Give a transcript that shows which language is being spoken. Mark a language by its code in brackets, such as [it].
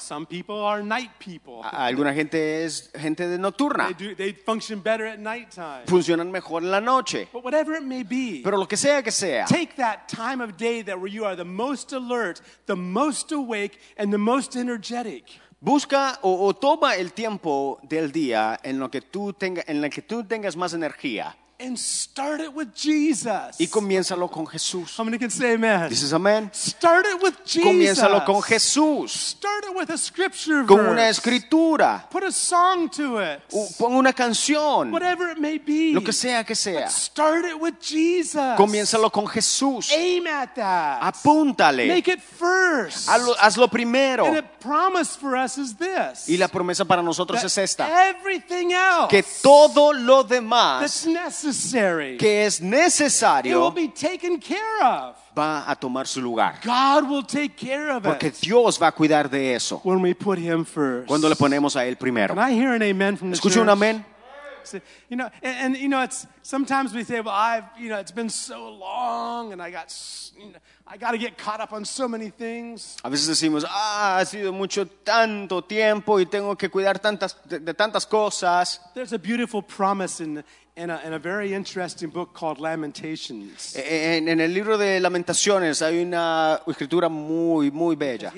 [en] Some people are night people. [es] Alguna gente es gente de nocturna. [en] They function better at night time. [es] Funcionan mejor en la noche. [en] But whatever it may be. [es] Pero lo que sea que sea. [en] Take that time of day that where you are the most alert, the most awake, and the most energetic. [es] Busca o toma el tiempo del día en lo que tú tengas más energía. [en] and start it with Jesus. [es] Y comiénzalo con Jesús. [en] How many can say amen? This is amen. Start it with Jesus. [es] Comiénzalo con Jesús. [en] Start it with a scripture [es] con [en] verse. [es] Una escritura. [en] Put a song to it. [es] Pon una canción. [en] Whatever it may be. [es] Lo que sea que sea. [en] But start it with Jesus. [es] Comiénzalo con Jesús. [en] Aim at that. [es] Apúntale. [en] Make it first. [es] Hazlo primero. [en] And a promise for us is this. [es] Y la promesa para nosotros [en] that [es] es esta. [en] Everything else. [es] Que todo lo demás. [en] That's necessary. [es] Que es necesario. [en] It will be taken care of. [es] Va a tomar su lugar. [en] God will take care of [es] porque [en] it. [es] Dios va a cuidar de eso. [en] When we put him first. [es] Cuando le ponemos a él primero. [en] Can I hear an amen from the church? [es] ¿Escucho un amén? [en] You know, and you know, it's sometimes we say, well, I've, you know, it's been so long and I got, you know, I got to get caught up on so many things. [es] A veces decimos, ah, ha sido mucho tanto tiempo y tengo que cuidar tantas de tantas cosas. [en] There's a beautiful promise in a very interesting book called Lamentations. [es] En el libro de Lamentaciones hay una escritura muy muy bella.